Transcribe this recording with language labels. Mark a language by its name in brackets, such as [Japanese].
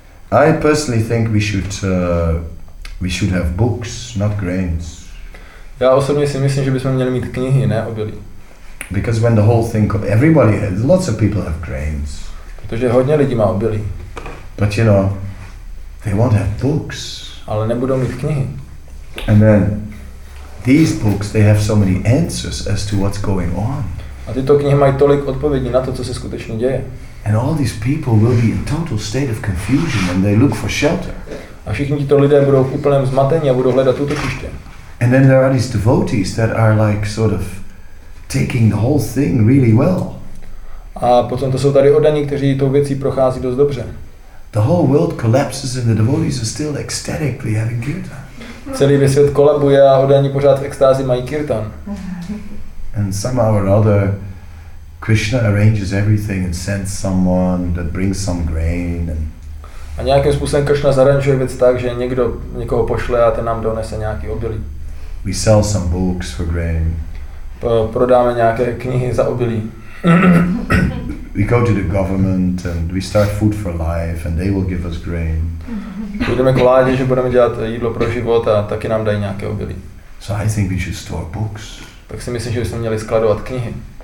[English] I personally think we should have books, not grains. [Czech] Já osobně si myslím, že bychom měli mít knihy, ne obilí. [English] Because when the whole thing everybody has, lots of people have grains. [Czech] Protože hodně lidí má obilí. [English] But you know, they won't have books. [Czech] Ale nebudou mít knihy. [English] And then these books, they have so many answers as to what's going on. [Czech] A tyto knihy mají tolik odpovědí na to, co se skutečně děje. [English] And all these people will be in total state of confusion and they look for shelter. [Czech] A všichni tito lidé budou v úplném zmatení a budou hledat útočiště. [English] And then there are these devotees that are like sort of taking the whole thing really well. [Czech] A potom to jsou tady oddaní, kteří tou věcí prochází dost dobře. [English] The whole world collapses and the devotees are still ecstatically having kirtan. [Czech] Celý svět kolabuje a oddaní pořád v extázi mají kirtan. [English] And somehow or other Krishna arranges everything and sends someone that brings some grain and [Czech] a nějakým způsobem Krishna zaranžuje věc tak, že někdo někoho pošle a ten nám donese nějaký obilí. [English] We sell some books for grain. [Czech] Prodáme nějaké knihy za obilí. [English] We go to the government and we start Food for Life and they will give us grain. [Czech] Budeme k vládě, že budeme dělat jídlo pro život a taky nám dají nějaké obilí. [English] So I think we should store books. [Czech] Tak si myslím, že bychom měli skladovat knihy.